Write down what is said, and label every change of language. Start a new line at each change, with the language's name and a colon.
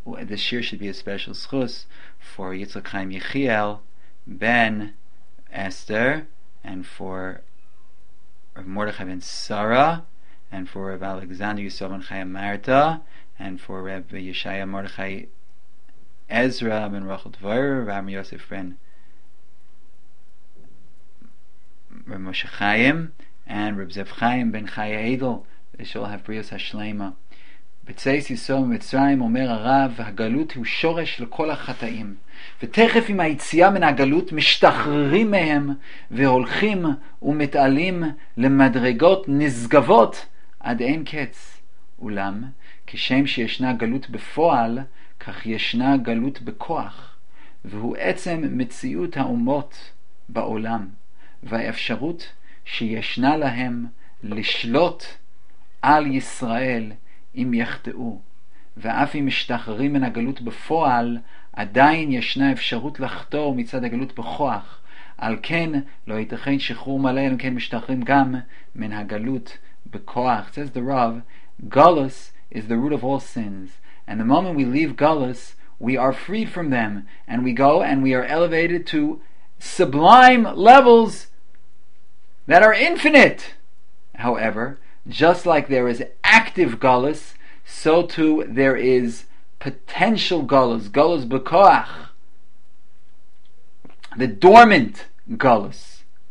English: This shiur should be a special schus for Yitzchak Chaim Yechiel Ben Esther, and for Rav Mordechai Ben Sarah, and for Rav Alexander Yisrael Ben Chaya Marta, and for Rav Yeshaya Mordechai Ezra Ben Rachel Dvar, Rav Yosef Ben Rav Moshe Chaim, and Rav Zev Chaim Ben Chaya Edel. They shall have Brios Hashleima.
Hebrew: B'tzeis Yisrael Mitzrayim Omer Arav, Hagalut Hu Shoresh L'Kol HaChataim. ותכף עם היציאה מן הגלות משתחררים מהם והולכים ומתעלים למדרגות נשגבות עד אין קץ. אולם כשם שישנה גלות בפועל, כך ישנה גלות בכוח, והוא עצם מציאות האומות בעולם והאפשרות שישנה להם לשלוט על ישראל אם יחטאו. ואף אם משתחררים מן הגלות בפועל, עדיין ישנה אפשרות לחתור מצד הגלות בכוח. על כן לא ייתכן שחרור מלא, אלא כן משתחררים גם מן הגלות בכוח.
English: Says the Rav, Galus is the root of all sins, and the moment we leave Galus, we are freed from them, and we go and we are elevated to sublime levels that are infinite. However, just like there is active Galus, so too there is potential galus, galus b'koach, the dormant galus.